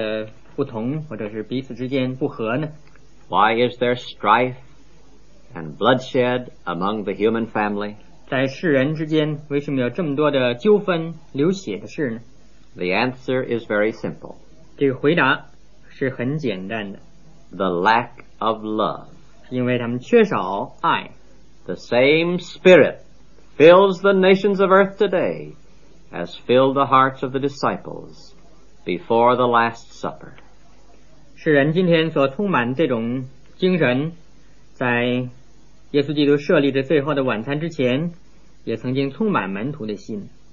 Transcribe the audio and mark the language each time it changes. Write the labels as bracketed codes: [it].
[zh] 为什么今天在世上的人他们彼此之间有这样的大的不同或者是彼此之间不和呢? [en] Why is there strife and bloodshed among the human family? [zh] 在世人之间为什么有这么多的纠纷流血的事呢? [en] The answer is very simple. [zh] 这个回答是很简单的. [en] The lack of love. [zh] 因为他们缺少爱. [en] The same spirit fills the nations of earth today as filled the hearts of the disciples before the Last Supper. [zh] 世人今天所充满这种精神, 在耶稣基督设立的最后的晚餐之前, 也曾经充满门徒的心.